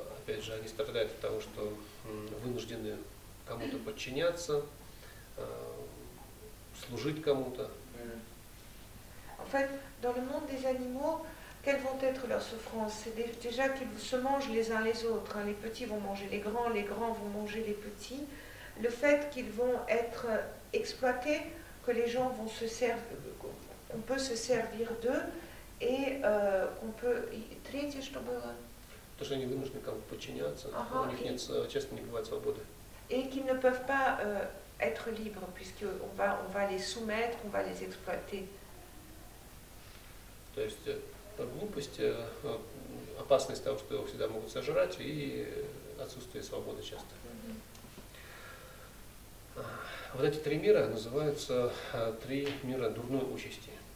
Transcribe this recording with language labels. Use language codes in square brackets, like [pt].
[ru] опять же, они страдают от того, что вынуждены кому-то подчиняться, служить кому-то. [fr] En fait, dans le monde des animaux, quelles vont être leurs souffrances? C'est déjà qu'ils se mangent les uns les autres. Hein. Les petits vont manger les grands vont manger les petits. Le fait qu'ils vont être exploités, que les gens vont se servir, qu'on peut se servir d'eux, et qu'on peut... [ru] Третье, что было? То, что они вынуждены как-то подчиняться. У них нет, честно, не бывает свободы. [fr] Et qu'ils ne peuvent pas être libres, puisqu'on va, on va les soumettre, on va les exploiter. [ru] То есть, по глупости, опасность того, что его всегда могут сожрать, и отсутствие свободы часто. Вот эти три мира называются три мира дурной участи.